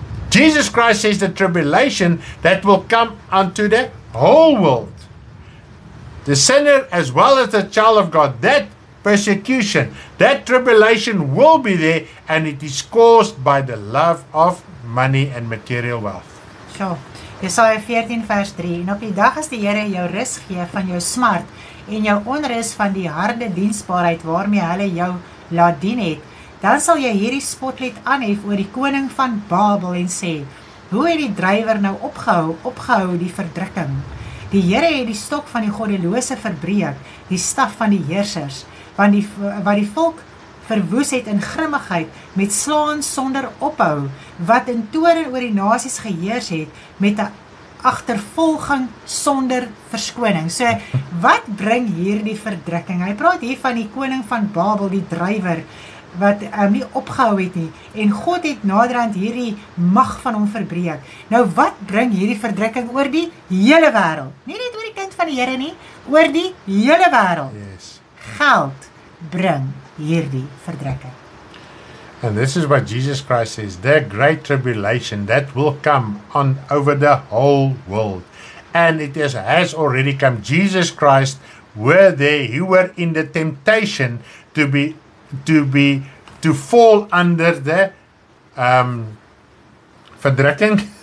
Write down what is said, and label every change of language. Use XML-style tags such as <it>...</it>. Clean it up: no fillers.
<en>Jesus Christ says the tribulation that will come unto the whole world. The sinner as well as the child of God. That persecution, that tribulation will be there and it is caused by the love of money and material wealth.</en> <af>So, Jesaja 14 vers 3. En op die dag as die Here jou rus gee van jou smart en jou onrus van die harde diensbaarheid waarmee hulle jou laat dien het, dan sal jy hierdie spotlet aanhef oor die koning van Babel en sê, hoe het die drywer nou opgehou die verdrukking? Die Here het die stok van die goddelose verbreek, die staf van die heersers, wat die volk verwoes het in grimmigheid, met slaan sonder ophou, wat in toorn oor die nasies geheers het, met 'n agtervolging sonder verskoning. So, wat bring hierdie verdrukking? Hy praat hier van die koning van Babel, die drywer, wat nie opgehou het nie, en God het naderhand hierdie mag van hom verbreek. Nou wat bring hierdie verdrukking oor die hele wêreld? Nie net oor die kind van die Here nie, oor die hele wêreld.</af> <en>Yes.</en> <af>Geld bring hierdie verdrukking.</af> <en>And this is what Jesus Christ says, the great tribulation that will come on over the whole world. And it has already come. Jesus Christ were there, he were in the temptation to fall under the verdrukking.</en>